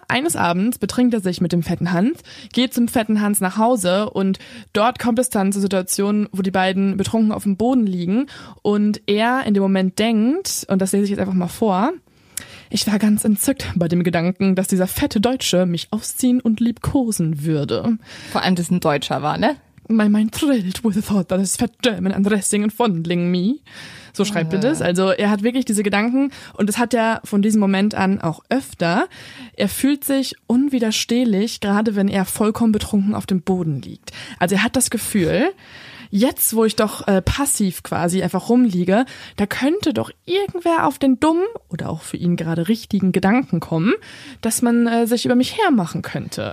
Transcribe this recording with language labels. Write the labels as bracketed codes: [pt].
[de] Eines Abends betrinkt er sich mit dem fetten Hans, geht zum fetten Hans nach Hause und dort kommt es dann zur Situation, wo die beiden betrunken auf dem Boden liegen und er in dem Moment denkt, und das lese ich jetzt einfach mal vor, ich war ganz entzückt bei dem Gedanken, dass dieser fette Deutsche mich ausziehen und liebkosen würde. Vor allem, dass es ein Deutscher war, ne? [en] My mind thrilled with the thought that his fat German undressing and fondling me. [de] So schreibt er das. Also er hat wirklich diese Gedanken und das hat er von diesem Moment an auch öfter. Er fühlt sich unwiderstehlich, gerade wenn er vollkommen betrunken auf dem Boden liegt. Also er hat das Gefühl, jetzt wo ich doch passiv quasi einfach rumliege, da könnte doch irgendwer auf den dummen oder auch für ihn gerade richtigen Gedanken kommen, dass man sich über mich hermachen könnte.